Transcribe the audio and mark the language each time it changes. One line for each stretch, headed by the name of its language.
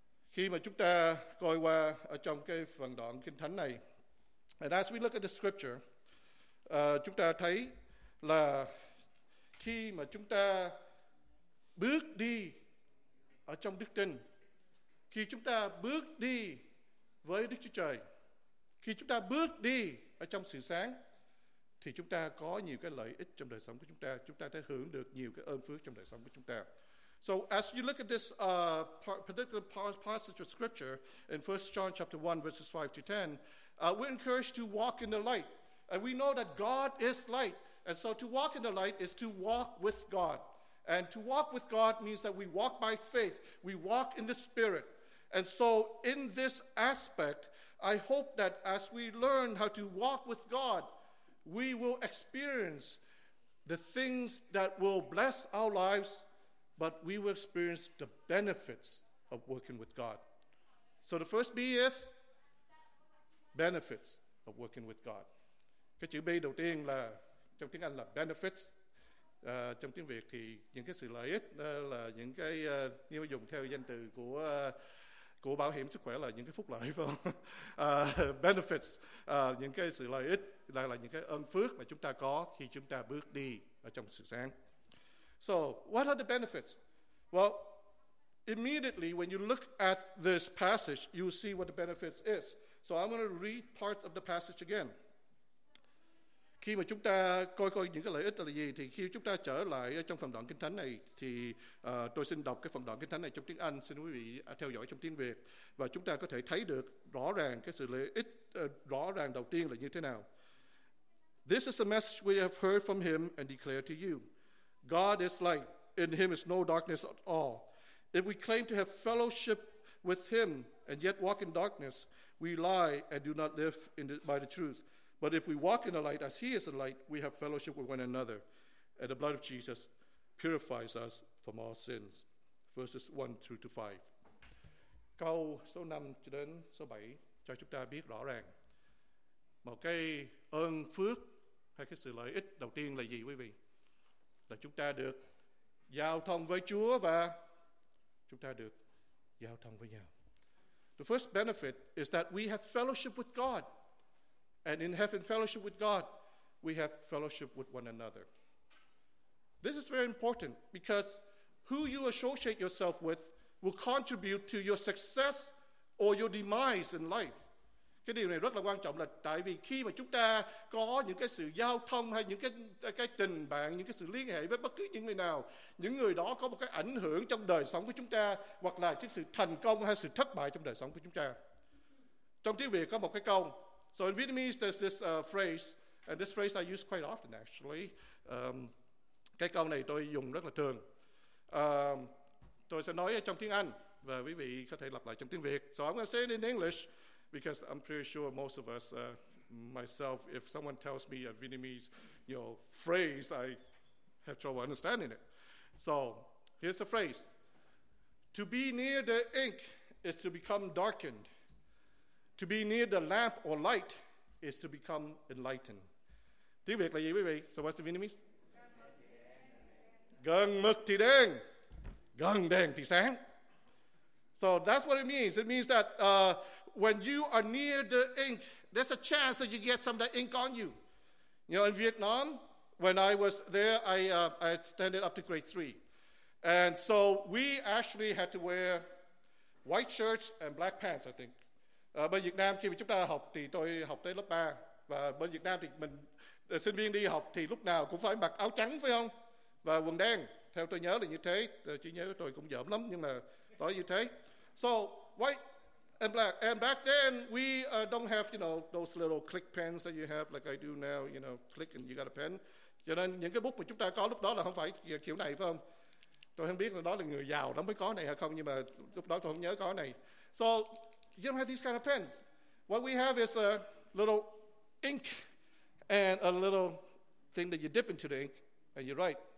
Vietnamese: Khi mà chúng ta coi qua ở trong cái phần đoạn kinh thánh này,
English: and as we look at the scripture,
Vietnamese: chúng ta thấy là khi mà chúng ta bước đi ở trong đức tin, khi chúng ta bước đi với Đức Chúa Trời, khi chúng ta bước đi ở trong sự sáng, thì chúng ta có nhiều cái lợi ích trong đời sống của chúng ta sẽ hưởng được nhiều cái ơn phước trong đời sống của chúng ta.
English: So as you look at this particular passage of scripture in 1 John chapter 1 verses 5 to 10, we're encouraged to walk in the light. And we know that God is light. And so to walk in the light is to walk with God. And to walk with God means that we walk by faith. We walk in the Spirit. And so in this aspect, I hope that as we learn how to walk with God, we will experience the things that will bless our lives, but we will experience the benefits of working with God. So the first B is benefits of working with God.
Vietnamese: Cái chữ B đầu tiên là trong tiếng Anh là benefits. Trong tiếng Việt thì những cái sự lợi ích là những cái nếu mà dùng theo danh từ của của bảo hiểm sức khỏe là những cái phúc lợi, phải không? Benefits, những cái sự lợi ích là những cái ơn phước mà chúng ta có khi chúng ta bước đi ở trong sự sáng.
English: So, what are the benefits? Well, immediately when you look at this passage, you see what the benefits is. So I'm going to read part of the passage again.
Vietnamese: Khi mà chúng ta coi những cái lợi ích là gì, thì khi chúng ta trở lại trong phần đoạn kinh thánh này, thì tôi xin đọc cái phần đoạn kinh thánh này trong tiếng Anh, xin quý vị theo dõi trong tiếng Việt, và chúng ta có thể thấy được rõ ràng cái sự lợi ích rõ ràng đầu tiên là như thế nào.
English: This is the message we have heard from him and declare to you. God is light, in him is no darkness at all. If we claim to have fellowship with him and yet walk in darkness, we lie and do not live by the truth. But if we walk in the light as he is in light, we have fellowship with one another. And the blood of Jesus purifies us from all sins. Verses 1 through to 5.
Vietnamese: Câu số 5 cho đến số 7 cho chúng ta biết rõ ràng. Một cái ơn phước hay cái sự lợi ích đầu tiên là gì quý vị? Là chúng ta được giao thông với Chúa và chúng ta được giao thông với nhau.
English: The first benefit is that we have fellowship with God. And in having fellowship with God, we have fellowship with one another. This is very important because who you associate yourself with will contribute to your success or your demise in life.
Vietnamese: Cái điều này rất là quan trọng là tại vì khi mà chúng ta có những cái sự giao thông hay những cái tình bạn, những cái sự liên hệ với bất cứ những người nào, những người đó có một cái ảnh hưởng trong đời sống của chúng ta hoặc là cái sự thành công hay sự thất bại trong đời sống của chúng ta. Trong tiếng Việt có một cái câu.
English: So in Vietnamese, there's this phrase, and this phrase I use quite often, actually.
Vietnamese: Cái câu này tôi dùng rất là thường. Tôi sẽ nói trong tiếng Anh, và quý vị có thể lặp lại trong tiếng Việt.
English: So I'm going to say it in English, because I'm pretty sure most of us, myself, if someone tells me a Vietnamese, you know, phrase, I have trouble understanding it. So here's the phrase. To be near the ink is to become darkened. To be near the lamp or light is to become enlightened.
Vietnamese: Tiếng Việt là gì, quý vị?
English: So what's the Vietnamese?
Vietnamese: Gần mực thì đen. Gần đèn thì sáng.
English: So that's what it means. It means that when you are near the ink, there's a chance that you get some of the ink on you. You know, in Vietnam, when I was there, I extended up to grade 3. And so we actually had to wear white shirts and black pants, I think.
Vietnamese: Ở bên Việt Nam khi mà chúng ta học thì tôi học tới lớp 3. Và bên Việt Nam thì mình sinh viên đi học thì lúc nào cũng phải mặc áo trắng phải không? Và quần đen. Theo tôi nhớ là như thế. Chỉ nhớ tôi cũng dởm lắm nhưng mà nói như thế.
English: So white and black. And back then we don't have, you know, those little click pens that you have like I do now. You know, click and you got a pen.
Vietnamese: Cho nên những cái bút mà chúng ta có lúc đó là không phải kiểu này phải không? Tôi không biết là đó là người giàu lắm mới có này hay không. Nhưng mà lúc đó tôi không nhớ có này.
English: So you don't have these kind of pens. What we have is a little ink and a little thing that you dip into the ink and you write.